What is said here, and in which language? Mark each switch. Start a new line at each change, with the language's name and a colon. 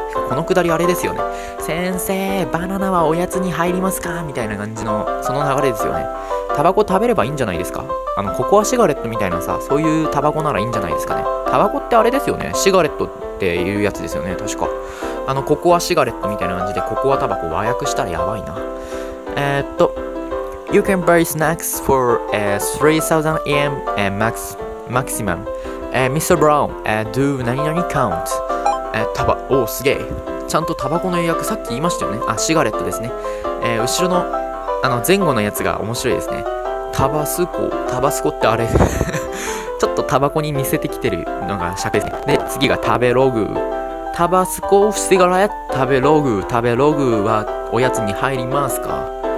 Japanese: このくだりあれですよね、先生バナナはおやつに入りますかみたいな感じの、その流れですよね。タバコ食べればいいんじゃないですか。ココアシガレットみたいなさ、そういうタバコならいいんじゃないですかね。タバコってあれですよね、シガレットっていうやつですよね確か。ココアシガレットみたいな感じでココアタバコ和訳したらやばいな。
English: You can buy snacks for 3000 yen maximum. Mr. Brown, do
Japanese: 何々
English: count?
Japanese: タバ、おーすげえ。ちゃんとタバコの英訳さっき言いましたよね。あ、シガレットですね。後ろの前後のやつが面白いですね。タバスコ、タバスコってあれ。ちょっとタバコに似せてきてるのが尺ですね。で、次が食べログ。タバスコ、シガレット、食べログ、食べログはおやつに入りますか？